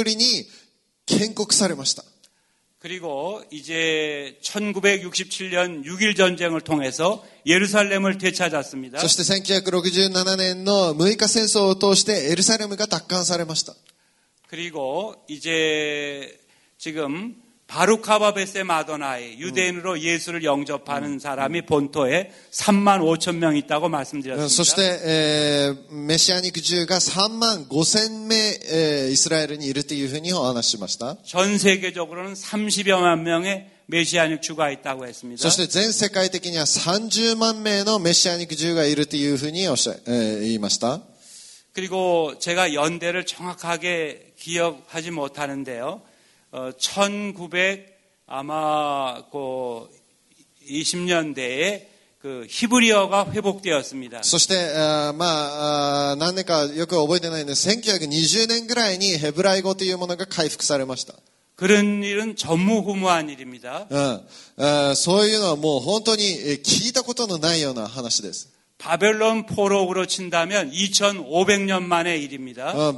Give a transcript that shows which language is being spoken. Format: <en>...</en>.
<ja>1948년 1900년ぶりに建国されました。</ja> <ko>그리고 이제 1967년 6.1 전쟁을 통해서 예루살렘을 되찾았습니다.</ko> <ja>そして1967年の6日戦争を通してエルサレムが奪還されました。</ja> <ko>그리고 이제 지금 바루카바 베세 마도나이 유대인으로 예수를 영접하는 사람이 본토에 3만 5천 명 있다고 말씀드렸습니다. 메시아닉주가 3만 5천 명 이스라엘에 있다고 했습니다. 전 세계적으로는 30여만 명의 메시아닉주가 있다고 했습니다. 전 세계적으로는 30만 명의 메시아닉주가 있다고 했습니다. 그리고 제가 연대를 정확하게 기억하지 못하는데요. 1900 아마 그 20년대에 그히브리어가회복되었습니다</ko> <ja>そして、まあ、何年かよく覚えてないんです。 1920年ぐらいにヘブライ語というものが回復されました。</ja> <ko>그런일은전무후무한일입니다。</ko> <ja>そういうのはもう本当に聞いたことのないような話です。</ja> <ko>바벨론포로로친다면2500년만의일입니다。</ko>